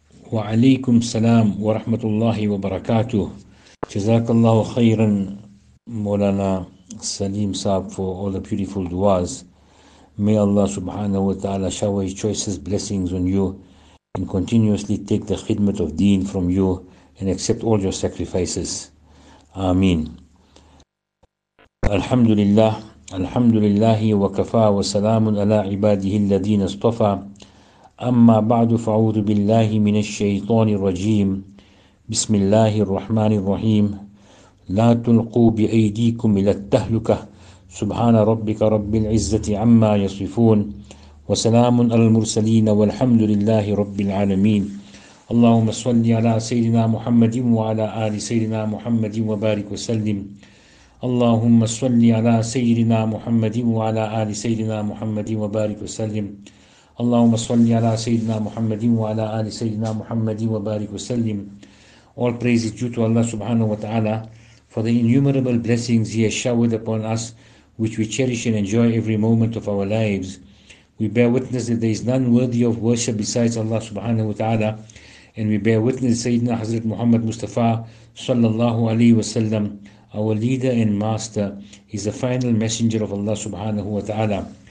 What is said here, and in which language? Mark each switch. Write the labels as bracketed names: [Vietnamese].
[Arabic] وعليكم السلام ورحمة الله وبركاته. جزاك الله خيرا مولانا سليم صاحب [English] for all the beautiful du'as. May Allah subhanahu wa ta'ala shower his choices blessings on you and continuously take the khidmat of deen from you and accept all your sacrifices. [Arabic] Ameen. Alhamdulillah. Alhamdulillahi wa kafa wa salamun ala ibadihi alladhina istafa. أما بعد فأعوذ بالله من الشيطان الرجيم بسم الله الرحمن الرحيم لا تلقوا بأيديكم إلى التهلكة سبحان ربك رب العزة عما يصفون وسلام على المرسلين والحمد لله رب العالمين اللهم صل على سيدنا محمد وعلى آل سيدنا محمد وبارك وسلم اللهم صل على سيدنا محمد وعلى آل سيدنا محمد وبارك وسلم اللهم صل على سيدنا محمد وعلى آل سيدنا محمد وبارك وسلم. [English] All praise is due to Allah subhanahu wa ta'ala for the innumerable blessings He has showered upon us, which we cherish and enjoy every moment of our lives. We bear witness that there is none worthy of worship besides Allah subhanahu wa ta'ala, and we bear witness that Sayyidina Hazrat Muhammad Mustafa sallallahu alayhi wa sallam, our leader and master, is the final messenger of Allah subhanahu wa ta'ala.